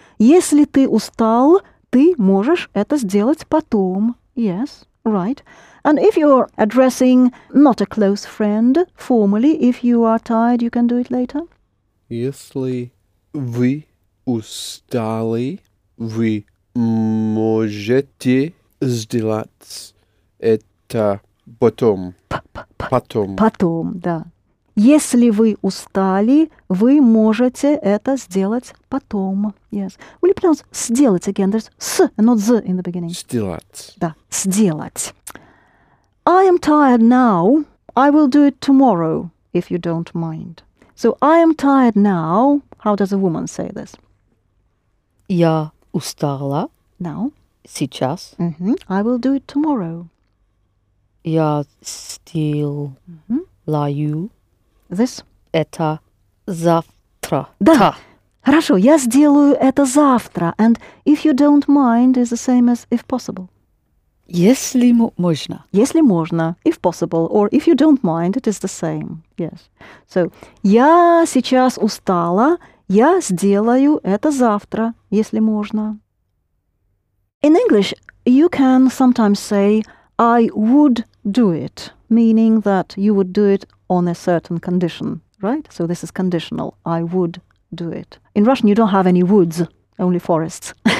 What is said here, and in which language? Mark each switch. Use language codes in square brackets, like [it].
[ru] Если ты устал, ты можешь это сделать потом. [en] Yes, right. And if you're addressing not a close friend, formally, if you are tired, you can do it later. [ru] Если вы устали, вы можете сделать это потом. Потом. Потом, да. Если вы устали, вы можете это сделать потом. [en] Yes. Will you pronounce сделать again? There's с, not з in the beginning. [ru] Сделать. Да. Сделать. [en] I am tired now. I will do it tomorrow, if you don't mind. So, I am tired now. How does a woman say this? [ru] Я устала. [en] Now. [ru] Сейчас. [en] Mm-hmm. I will do it tomorrow. [ru] Я сделаю [en] this? [ru] Это завтра. Да. Хорошо, я сделаю это завтра. [en] And if you don't mind is the same as if possible. [ru] Если можно. Если можно, [en] if possible. Or if you don't mind, it is the same. Yes. So, [ru] я сейчас устала, я сделаю это завтра, если можно. [en] In English, you can sometimes say, I would do it, meaning that you would do it on a certain condition, right? So this is conditional. I would do it. In Russian, you don't have any woods, only forests.